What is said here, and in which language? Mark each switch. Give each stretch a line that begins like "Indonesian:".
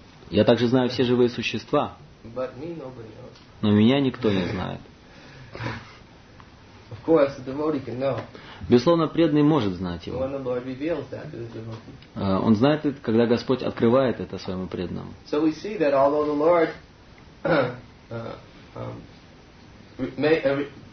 Russian: Я также знаю все живые существа. Но меня никто не знает.
English: Of course, the devotee can know.
Russian: Безусловно, преданный может знать его.
English: When the Lord reveals that to the devotee.
Russian: Он знает это, когда Господь открывает это своему преданному.
English: So we see that although the Lord may